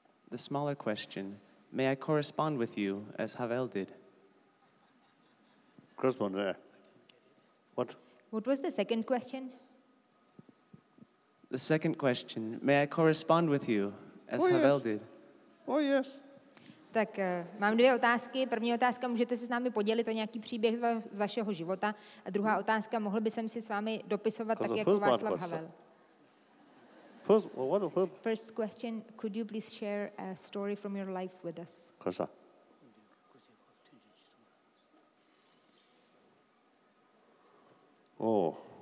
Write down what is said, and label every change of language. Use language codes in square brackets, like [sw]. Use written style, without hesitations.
[en] The smaller question, may I correspond with you as Havel did? Correspond there. What? What was the second question? The second question, may I correspond with you as Havel did? Oh, yes. [cs] Tak mám dvě otázky. První otázka, můžete se s námi podělit o nějaký příběh z vašeho života. A druhá otázka, mohl by jsem si s vámi dopisovat tak, jako Václav Havel. [en] First question, could you please share a story from your life with us? Kosa. Oh.